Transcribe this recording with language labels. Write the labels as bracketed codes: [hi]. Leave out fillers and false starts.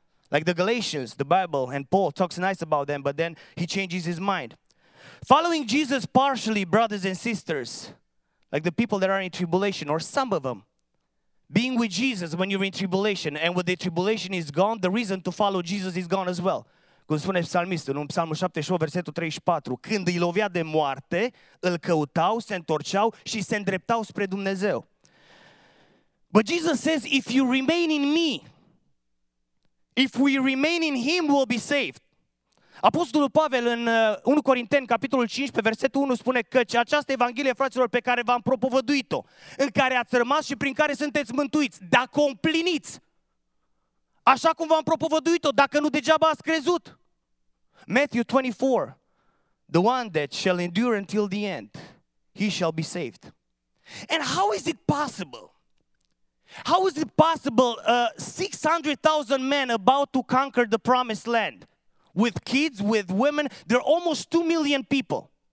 [en] Like the Galatians, the Bible, and Paul talks nice about them, but then he changes his mind. Following Jesus partially, brothers and sisters, like the people that are in tribulation, or some of them, being with Jesus when you're in tribulation, and when the tribulation is gone, the reason to follow Jesus is gone as well. [ro] Cum spune psalmistul în Psalmul 78, versetul 34, când îi lovea de moarte, îl căutau, se întorceau și se îndreptau spre Dumnezeu. [en] But Jesus says, if you remain in me, if we remain in him, we'll be saved. [ro] Apostolul Pavel în 1 Corinteni, capitolul 15, versetul 1, spune că această evanghelie, fraților, pe care v-am propovăduit-o, în care ați rămas și prin care sunteți mântuiți, dacă o împliniți, așa cum v-am propovăduit-o, dacă nu degeaba ați crezut. [en] Matthew 24, the one that shall endure until the end, he shall be saved. And how is it possible? How is it possible 600,000 men about to conquer the promised land? With kids, with women, there are almost 2 million people.